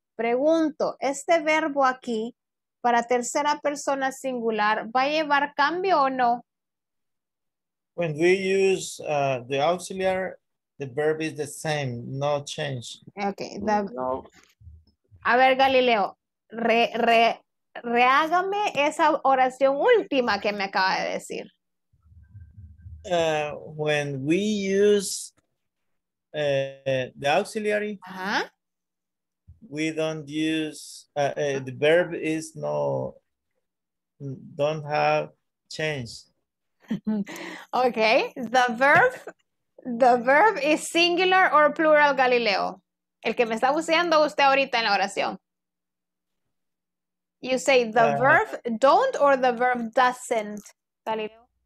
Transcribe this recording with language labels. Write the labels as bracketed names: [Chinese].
[Spanish] Pregunto, ¿este verbo aquí para tercera persona singular va a llevar cambio o no? [English] When we use the auxiliary, the verb is the same, no change. Okay. [Spanish] A ver, Galileo, rehágame esa oración última que me acaba de decir. [English] When we use the auxiliary, we don't use the verb is no, don't have change. Okay, the verb is singular or plural, Galileo? [Spanish] El que me está usando usted ahorita en la oración. [English] You say the verb don't or the verb doesn't, Galileo?